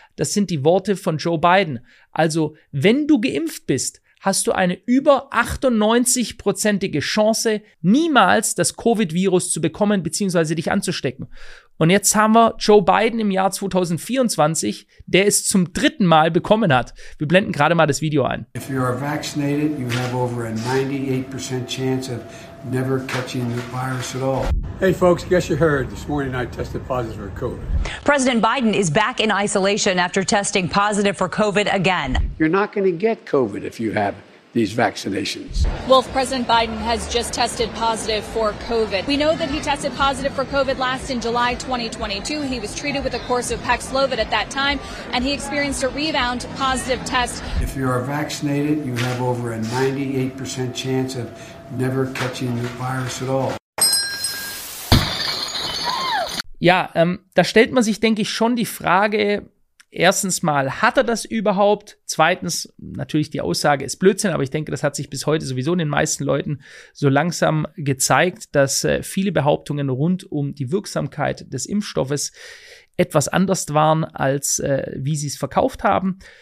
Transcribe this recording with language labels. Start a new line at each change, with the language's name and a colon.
German: Das sind die Worte von Joe Biden. Also, wenn du geimpft bist, hast du eine über 98%ige Chance, niemals das Covid-Virus zu bekommen bzw. dich anzustecken. Und jetzt haben wir Joe Biden im Jahr 2024, der es zum dritten Mal bekommen hat. Wir blenden gerade mal das Video ein.
English: If you are vaccinated, you have over a 98% chance of never catching the virus at all. Hey folks, guess you heard. This morning I tested positive for COVID. President Biden is back in isolation after testing positive for COVID again. You're not going to get COVID if you have it. These vaccinations. Wolf, President Biden has just tested positive for COVID. We know that he tested positive for COVID last in July 2022. He was treated with a course of Paxlovid at that time, and he experienced a rebound positive test. If you are vaccinated, you have over a 98% chance of never catching the virus at all.
German: Ja, da stellt man sich, denke ich, schon die Frage. Erstens mal, hat er das überhaupt? Zweitens, natürlich die Aussage ist Blödsinn, aber ich denke, das hat sich bis heute sowieso den meisten Leuten so langsam gezeigt, dass viele Behauptungen rund um die Wirksamkeit des Impfstoffes etwas anders waren, als wie sie es verkauft haben.